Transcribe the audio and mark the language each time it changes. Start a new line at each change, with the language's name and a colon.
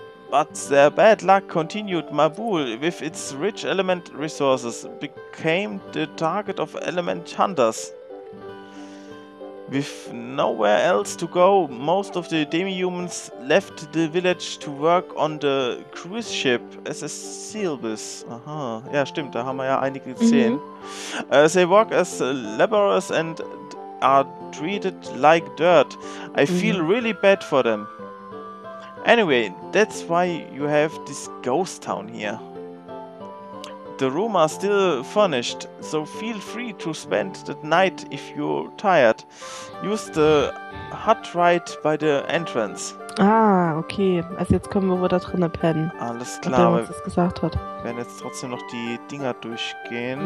English: But their bad luck continued. Mabul, with its rich element resources, became the target of element hunters. With nowhere else to go, most of the demi-humans left the village to work on the cruise ship SS Silvis.
German: Aha, ja stimmt, da haben wir ja einige gesehen. Mhm.
English: They work as laborers and are treated like dirt. I feel really bad for them. Anyway, that's why you have this ghost town here. The room are still furnished, so feel free to spend the night if you're tired. Use the hut right by the entrance. Ah, okay.
German: Also jetzt können wir wohl da drinnen pennen. Alles klar. Wenn uns das gesagt hat. Wir werden jetzt trotzdem noch die Dinger durchgehen.